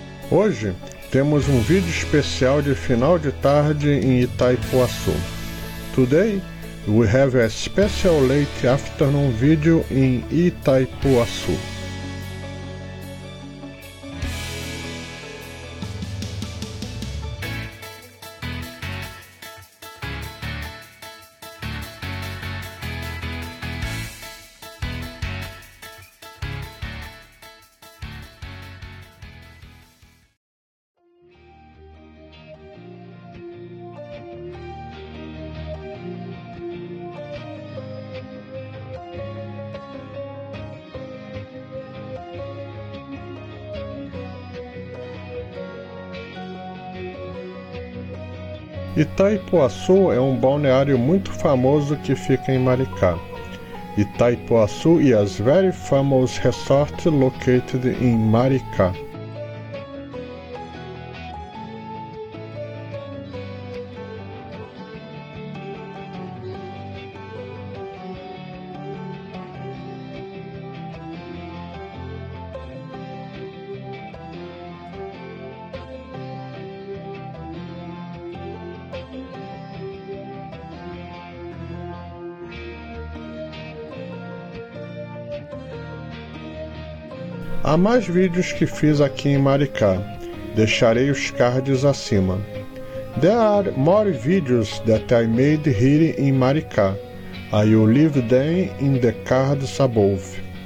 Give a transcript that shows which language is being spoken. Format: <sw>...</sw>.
<pt>Hoje temos um vídeo especial de final de tarde em Itaipuaçu.</pt> <en>Today we have a special late afternoon video in Itaipuaçu.</en> <pt>Itaipuaçu é um balneário muito famoso que fica em Maricá.</pt> <en>Itaipuaçu is a very famous resort located in Maricá.</en> <pt>Há mais vídeos que fiz aqui em Maricá. Deixarei os cards acima.</pt> <en>There are more videos that I made here in Maricá. I will leave them in the cards above.</en>